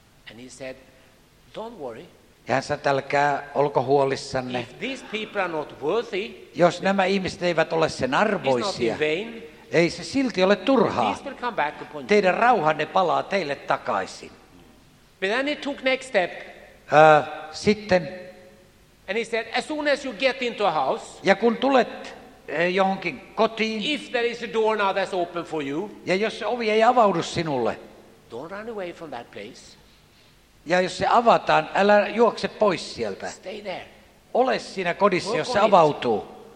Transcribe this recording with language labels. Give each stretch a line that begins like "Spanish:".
English: And he said, don't worry.
Finnish: Ja hän sanoi, älkää olko huolissanne.
English: If these people are not worthy,
Finnish: jos nämä ihmiset eivät ole sen arvoisia, ei se silti ole turhaa. Teidän rauhanne palaa teille takaisin.
English: But then he took next step.
Finnish: Sitten.
English: And he said, as soon as you get into a house,
Finnish: ja kun tulet johonkin kotiin,
English: if there is a door now that's open for you,
Finnish: ja jos se ovi ei avaudu sinulle,
English: don't run away from that place.
Finnish: Ja jos se avataan, älä juokse pois sieltä.
English: Stay there.
Finnish: Ole siinä kodissa, jos se avautuu.